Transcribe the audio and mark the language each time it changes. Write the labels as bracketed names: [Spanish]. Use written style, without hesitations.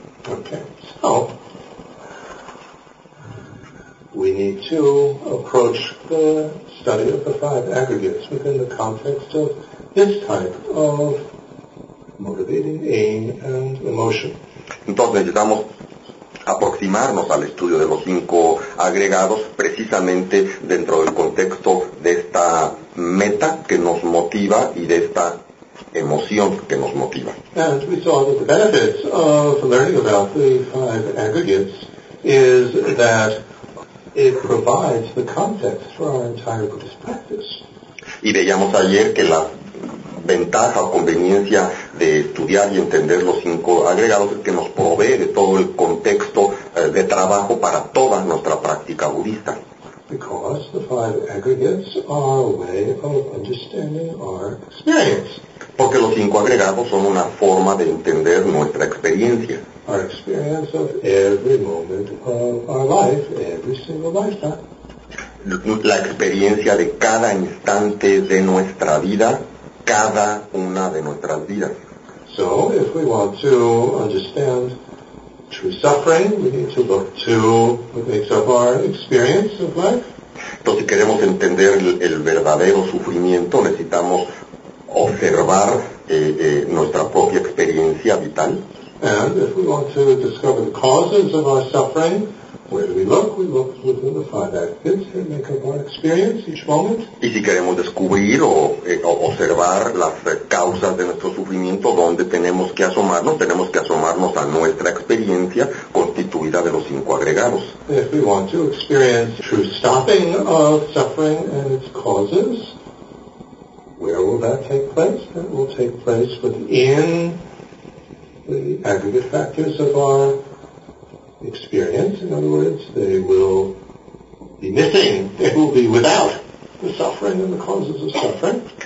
[English] Okay. We need to approach the study of the five aggregates within the context of this type of motivating aim and emotion. [Spanish] Entonces necesitamos aproximarnos al estudio de los cinco agregados precisamente dentro del contexto de esta meta que nos motiva y de esta emoción que nos motiva. [English] And we saw that the benefits of learning about the five aggregates is that it provides the context for our entire Buddhist practice. [Spanish] Y veíamos ayer que la ventaja o conveniencia de estudiar y entender los cinco agregados es que nos provee de todo el contexto de trabajo para toda nuestra práctica budista. [English] Because the five aggregates are a way of understanding our experience. [Spanish] Porque los cinco agregados son una forma de entender nuestra experiencia. [English] Our experience of every moment of our life, every single lifetime. [Spanish] La experiencia de cada instante de nuestra vida, cada una de nuestras vidas. [English] So, if we want to understand true suffering, we need to look to what makes up our experience of life. [Spanish] Entonces, si queremos entender el verdadero sufrimiento, necesitamos observar nuestra propia experiencia vital. [English] And if we want to discover the causes of our suffering, where do we look within the five aggregates that make up our experience each moment. [Spanish] Y si queremos descubrir o observar las causas de nuestro sufrimiento, ¿dónde tenemos que asomarnos? Tenemos que asomarnos a nuestra experiencia constituida de los cinco agregados. [English] If we want to experience true stopping of suffering and its causes, where will that take place? That will take place within the aggregate factors of our experience. In other words, they will be missing, they will be without the suffering and the causes of suffering.